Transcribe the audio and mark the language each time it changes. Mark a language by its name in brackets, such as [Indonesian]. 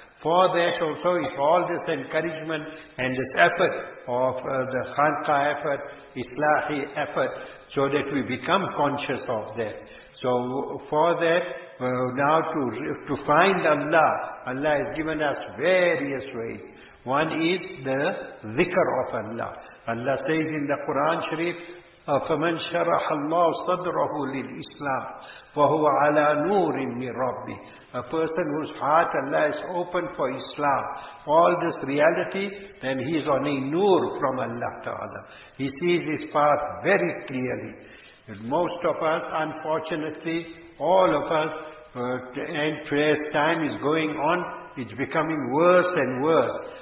[English] For that also, if all this encouragement and this effort of the Khanqah effort, Islahi effort, so that we become conscious of that. So for that, now to find Allah, Allah has given us various ways. One is the dhikr of Allah. Allah says in the Quran Sharif, [Arabic] فَمَنْ شَرَحَ اللَّهُ صَدْرَهُ لِلْإِسْلَامِ وَهُوَ عَلَى نُورٍ مِنْ رَبِّهِ. [English] A person whose heart Allah is open for Islam, all this reality, then he is on a nur from Allah Ta'ala. He sees his path very clearly. Most of us, unfortunately, all of us, and as time is going on, it's becoming worse and worse.